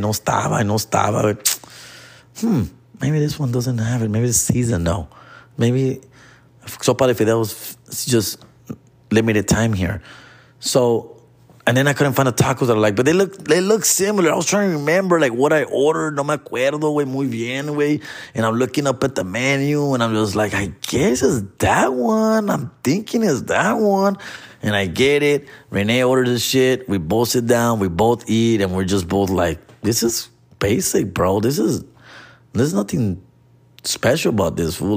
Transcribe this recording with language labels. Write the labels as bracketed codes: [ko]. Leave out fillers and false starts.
[es] No estaba. [en] But, maybe this one doesn't have it. Maybe it's seasoned, though. Maybe sopa de fideo is just limited time here. So... And then I couldn't find the tacos that I like, but they look similar. I was trying to remember like what I ordered. [es] No me acuerdo, güey, muy bien, güey. [en] And I'm looking up at the menu and I'm just like, I guess it's that one. I'm thinking it's that one. And I get it. Rene ordered this shit. We both sit down. We both eat. And we're just both like, this is basic, bro. There's nothing special about this, fool.